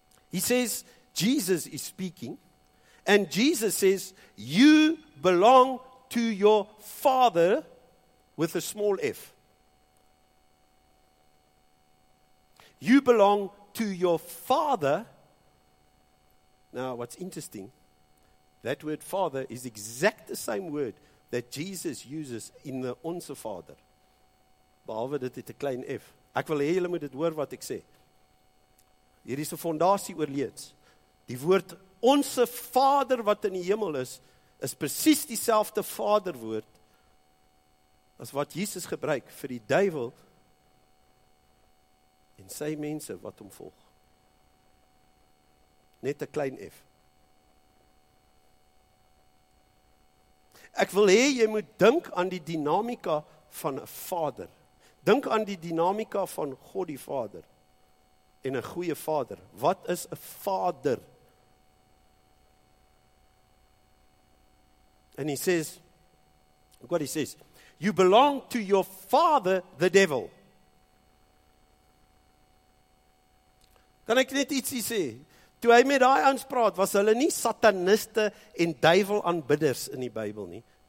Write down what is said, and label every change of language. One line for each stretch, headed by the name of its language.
English: He says, Jesus is speaking. And Jesus says, you belong to your father with a small f. You belong to your father. Now, what's interesting, that word father is exact the same word that Jesus uses in the
Afrikaans: onse vader. Behalve dit het 'n klein f. Ek wil hê julle moet dit hoor wat ek sê. Hier is 'n fondasie oor leeds. Die woord onse vader wat in die hemel is, is presies dieselfde vaderwoord as wat Jesus gebruik vir die duivel en sy mense wat hom volg. Net 'n klein f. Ek wil hê jy moet dink aan die dinamika van 'n vader. Dink aan die dinamika van God die Vader en 'n goeie vader. Wat is 'n vader?
English: And he says, look what he says, you belong to your father, the devil.
Afrikaans: Kan ek net ietsie sê? Toe hy met daai ouens praat, was hulle nie sataniste en duivel aanbidders in die Bybel nie.